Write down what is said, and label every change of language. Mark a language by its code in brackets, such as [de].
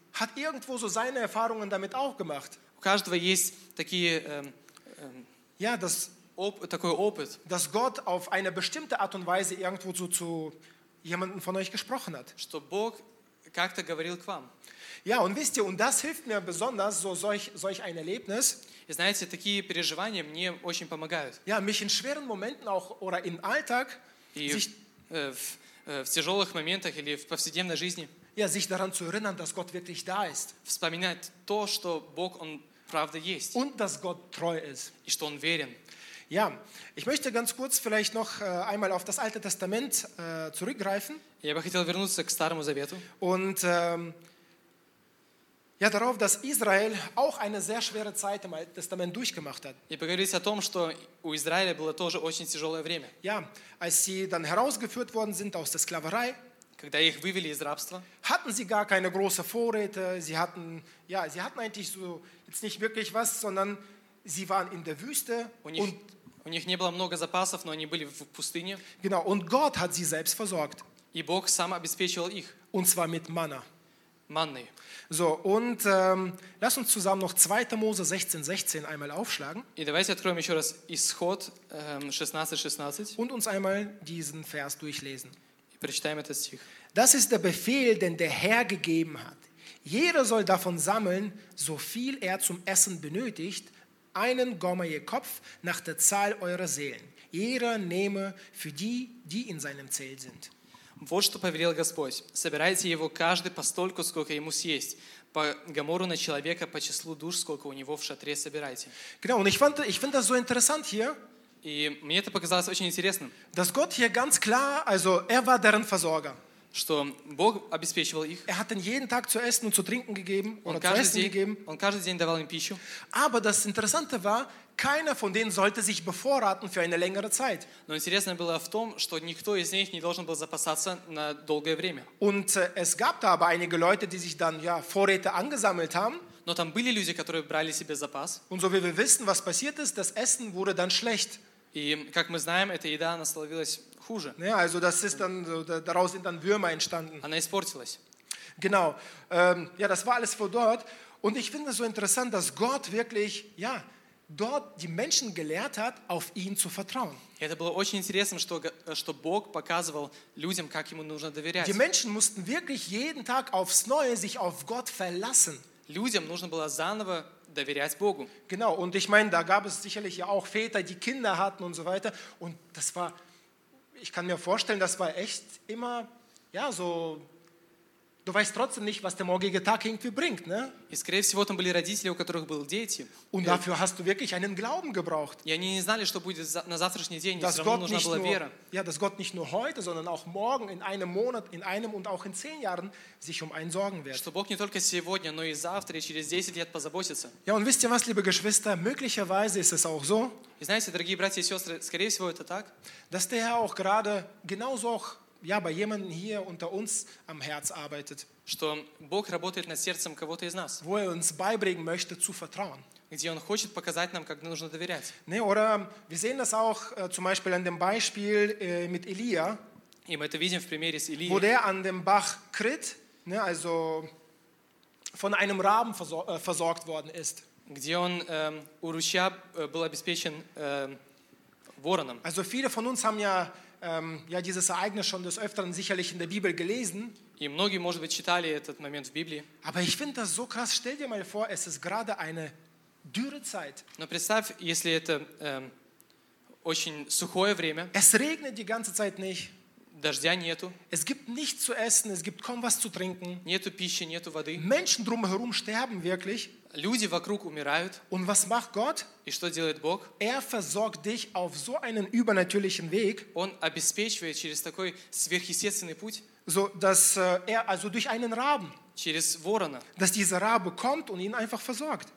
[de] hat irgendwo so seine Erfahrungen damit auch gemacht. [ru] У каждого есть такие, [de] ja, das, [ru] такой опыт, [de] dass Gott auf eine bestimmte Art und Weise irgendwo so zu jemandem von euch gesprochen hat. [ru] Что Бог как-то говорил к вам. [de] Ja, und wisst ihr, und das hilft mir besonders, so solch ein Erlebnis. [ru] И знаете, такие переживания мне очень помогают. [de] Ja, mich in schweren Momenten auch, oder in Alltag, [ru] в тяжелых моментах или в повседневной жизни, [de] ja, sich daran zu erinnern, dass Gott wirklich da ist. [ru] Вспоминать то, что Бог, Он правда есть. [de] Und dass Gott treu ist. [ru] И что Он верен. [de] Ja, ich möchte ganz kurz vielleicht noch einmal auf das Alte Testament zurückgreifen. [ru] Я бы хотел вернуться к Старому Завету. [de] Und ja, darauf, dass Israel auch eine sehr schwere Zeit im Alten Testament durchgemacht hat. [ru] И поговорить о том, что у Израиля было тоже очень тяжелое время. [de] Ja, als sie dann herausgeführt worden sind aus der Sklaverei, [ru] когда их вывели из рабства, [de] hatten sie gar keine große Vorräte, sie hatten, ja, sie hatten eigentlich so jetzt nicht wirklich was, sondern sie waren in der Wüste. [ru] У них не было много запасов, но они были в пустыне. [de] Genau, und Gott hat sie selbst versorgt. [ru] И Бог сам обеспечивал их. [de] Und zwar mit Manna. [ru] Manne. [de] So, und lass uns zusammen noch 2. Mose 16,16 einmal aufschlagen. [ru] И давайте откроем еще раз Исход 16,16. [de] Und uns einmal diesen Vers durchlesen. [ru] И прочитаем этот стих. [de] Das ist der Befehl, den der Herr gegeben hat. Jeder soll davon sammeln, so viel er zum Essen benötigt, einen Gomer je Kopf nach der Zahl eurer Seelen. Jeder nehme für die, die in seinem Zelt sind. [ru] Вот что повелел Господь. Собирайте его каждый по столько, сколько ему съесть. По гомору на человека, по числу душ, сколько у него в шатре собирайте. [de] Genau, und ich find das so interessant hier. [ru] И мне это показалось очень интересным. [de] Dass Gott hier ganz klar, also er war deren Versorger. [ru] Что Бог обеспечивал их. [de] Er hat ihnen jeden Tag zu essen und zu trinken gegeben. [ru] Он каждый день давал им пищу. [de] Aber das Interessante war, keiner von denen sollte sich bevorraten für eine längere Zeit. [ru] Но интересное было в том, что никто из них не должен был запасаться на долгое время. [de] Und es gab da aber einige Leute, die sich dann, ja, Vorräte angesammelt haben. [ru] Но там были люди, которые брали себе запас. [de] Und so wie wir wissen, was passiert ist, das Essen wurde dann schlecht. [ru] И как мы знаем, эта еда, она становилась хуже. [de] Ja, also das ist dann, daraus sind dann Würmer entstanden. [ru] Она испортилась. [de] Genau. Ja, das war alles vor dort. Und ich finde es so interessant, dass Gott wirklich, ja, dort die Menschen gelehrt hat, auf ihn zu vertrauen. [ru] Это было очень интересно, что Бог показывал людям, как ему нужно доверять. [de] Die Menschen mussten wirklich jeden Tag aufs Neue sich auf Gott verlassen. [ru] Людям нужно было заново доверять Богу. [de] Genau, und ich meine, da gab es sicherlich ja auch Väter, die Kinder hatten und so weiter. Und das war, ich kann mir vorstellen, das war echt immer, ja, so, du weißt trotzdem nicht, was der morgige Tag irgendwie bringt, ne? [ru] И, скорее всего, там были родители, у которых были дети. [de] Und dafür hast du wirklich einen Glauben gebraucht. [ru] И они не знали, что будет на завтрашний день, все равно нужна была вера. [de] Ja, dass Gott nicht nur heute, sondern auch morgen, in einem Monat, in einem und auch in 10 Jahren sich um einen sorgen wird. [ru] Что Бог не только сегодня, но и завтра, и через 10 лет позаботится. [de] Ja, und wisst ihr was, liebe Geschwister, möglicherweise ist es auch so, [ru] и знаете, дорогие братья и сестры, скорее всего, это так, [de] dass der Herr auch gerade genauso auch, ja, bei jemandem hier unter uns am Herz arbeitet. [ru] Что Бог работает над сердцем кого-то из нас. [de] Wo er uns beibringen möchte zu vertrauen. [ru] Где он хочет показать нам, как нужно доверять. [de] Ne, oder wir sehen das auch zum Beispiel an dem Beispiel mit Elia. [ru] И мы это видим в примере с Илией. [de] Wo der an dem Bach Krit, ne, also von einem Raben versorgt worden ist. [ru] Где он у ручья был обеспечен вороном. [de] Also viele von uns haben ja ja, dieses Ereignis schon des Öfteren sicherlich in der Bibel gelesen. [ru] И многие, может быть, читали этот момент в Библии. [de] Aber ich finde das so krass. Stell dir mal vor, es ist gerade eine Dürrezeit. [ru] Но представь, если это очень сухое время. [de] Es regnet die ganze Zeit nicht. [ru] Дождя нету. [de] Es gibt nichts zu essen, es gibt kaum was zu trinken. [ru] Нету пищи, нету воды. [de] Menschen drumherum sterben wirklich. [ru] Люди вокруг умирают. [de] Und was macht Gott? [ru] И что делает Бог? [de] Er versorgt dich auf so einen übernatürlichen Weg. [ru] Он обеспечивает через такой сверхъестественный путь. [de] So, dass er also durch einen Raben, [ru] через ворона, [de] dass dieser Rabe kommt und ihn einfach versorgt.